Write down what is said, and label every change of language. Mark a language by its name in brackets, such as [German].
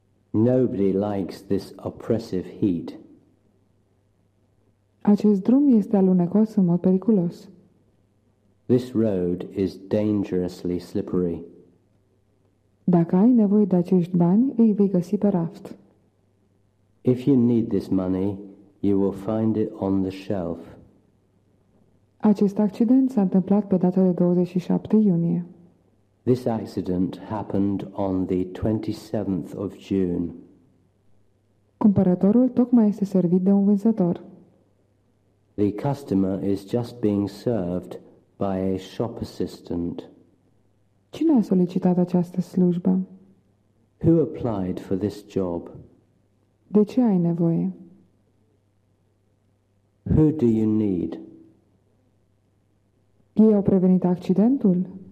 [English] Nobody likes this oppressive heat. [Romanian] Acest drum este alunecos în mod periculos. [English] This road is dangerously slippery. [Romanian] Dacă ai nevoie de acești bani, îi vei găsi pe raft. [English] If you need this money, you will find it on the shelf. [Romanian] Acest accident s-a întâmplat pe data de 27 iunie. [English] This accident happened on the 27th of June. [Romanian] Cumpărătorul tocmai este servit de un vânzător. [English] The customer is just being served by a shop assistant. [Romanian] Cine a solicitat această slujbă? [English] Who applied for this job? [Romanian] De ce ai nevoie? [English] Who do you need? [Romanian] Ei au prevenit accidentul?